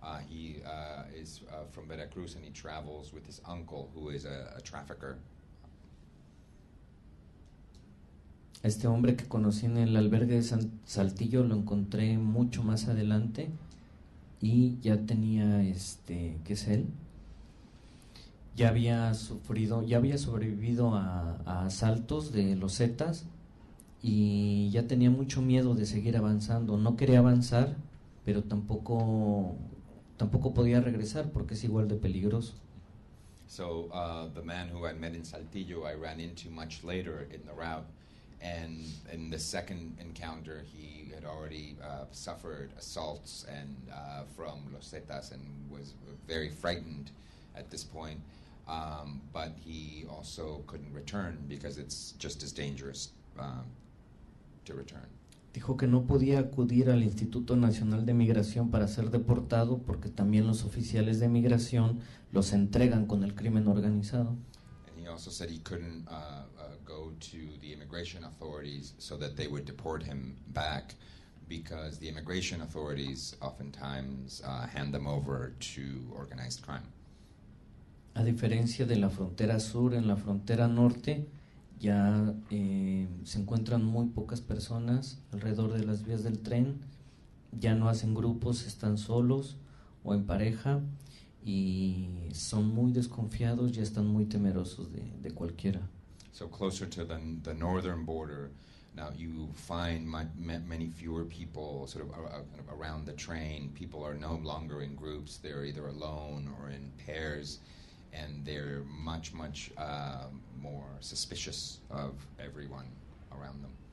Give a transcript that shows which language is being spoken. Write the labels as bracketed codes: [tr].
[en] He is from Veracruz and he travels with his uncle, who is a trafficker. [es] Este hombre que conocí en el albergue de Saltillo lo encontré mucho más adelante y ya tenía ¿qué es él? Ya había sobrevivido a asaltos de los Zetas y ya tenía mucho miedo de seguir avanzando. No quería avanzar, pero tampoco podía regresar porque es igual de peligroso. [en] So the man who I met in Saltillo, I ran into much later in the route. And in the second encounter, he had already suffered assaults and from Los Zetas and was very frightened at this point. But he also couldn't return because it's just as dangerous to return. [es] Dijo que no podía acudir al Instituto Nacional de Migración para ser deportado porque también los oficiales de migración los entregan con el crimen organizado. [en] And he also said he couldn't go to the immigration authorities so that they would deport him back because the immigration authorities oftentimes hand them over to organized crime. [es] A diferencia de la frontera sur, en la frontera norte ya se encuentran muy pocas personas alrededor de las vías del tren, ya no hacen grupos, están solos o en pareja y son muy desconfiados, ya están muy temerosos de cualquiera. [en] So closer to the northern border, now you find many fewer people sort of around the train. People are no longer in groups, they're either alone or in pairs. And they're much, much more suspicious of everyone around them.